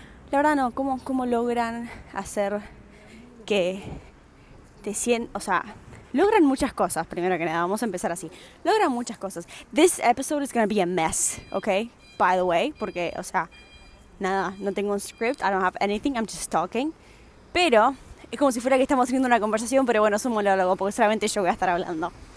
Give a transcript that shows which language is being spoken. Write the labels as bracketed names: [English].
[Spanish] La verdad no, ¿cómo logran hacer que te sientas? O sea, logran muchas cosas, primero que nada, vamos a empezar así. Logran muchas cosas. [English] This episode is going to be a mess, okay? By the way, [Spanish] porque, o sea, nada, no tengo un script, [English] I don't have anything, I'm just talking. [Spanish] Pero, es como si fuera que estamos teniendo una conversación, pero bueno, es un monólogo, porque solamente yo voy a estar hablando.